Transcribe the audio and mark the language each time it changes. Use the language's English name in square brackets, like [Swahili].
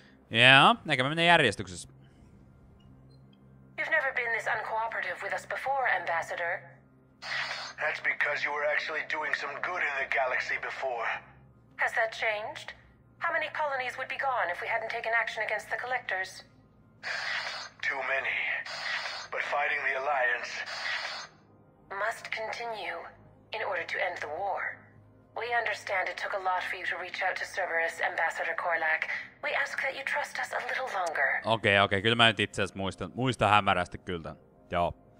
[Finnish] Joo, näkö me mennä järjestyksessä. [English] You've never been this uncooperative with us before, Ambassador. That's because you were actually doing some good in the galaxy before. Has that changed? How many colonies would be gone if we hadn't taken action against the collectors? Too many. But fighting the Alliance... must continue in order to end the war. We understand it took a lot for you to reach out to Cerberus, Ambassador Korlak. We ask that you trust us a little longer. [Finnish] Okay, kyllä mä nyt itseasiassa muistan hämärästi kyllä. Joo.